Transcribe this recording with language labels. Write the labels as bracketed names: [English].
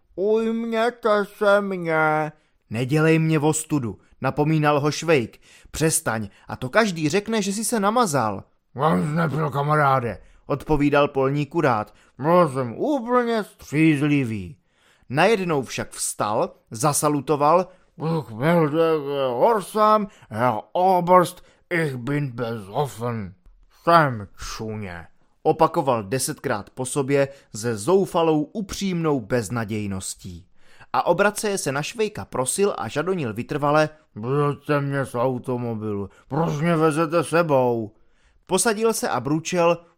[Czech] Ujměte se mě. Nedělej mě vostudu, napomínal ho Švejk. Přestaň, a to každý řekne, že jsi se namazal. Vám nebyl, kamaráde, odpovídal polní kurát. Byl jsem úplně střízlivý. Najednou však vstal, zasalutoval. [German] Ich bin der Horsam, Herr Oberst, ich bin besoffen. [Czech] Jsem čuně. Opakoval 10krát po sobě se zoufalou, upřímnou beznadějností. A obraceje se na Švejka prosil a žadonil vytrvale. Vezete mě z automobilu, proč mě vezete sebou? Posadil se a bručel.